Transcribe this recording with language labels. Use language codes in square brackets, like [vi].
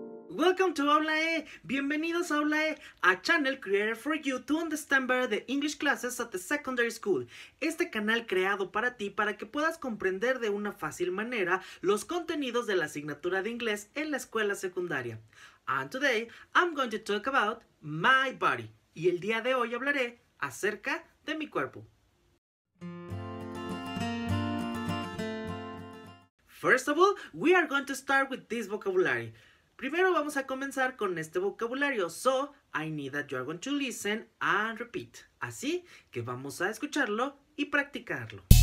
[en] Welcome to Háblae, [es] bienvenidos a Háblae, [en] a channel created for you to understand better the English classes at the secondary school. [es] Este canal creado para ti para que puedas comprender de una fácil manera los contenidos de la asignatura de inglés en la escuela secundaria. [en] And today, I'm going to talk about my body. [es] Y el día de hoy hablaré acerca de mi cuerpo. [en] First of all, we are going to start with this vocabulary. [es] Primero vamos a comenzar con este vocabulario, [en] so I need that you are going to listen and repeat. [es] Así que vamos a escucharlo y practicarlo.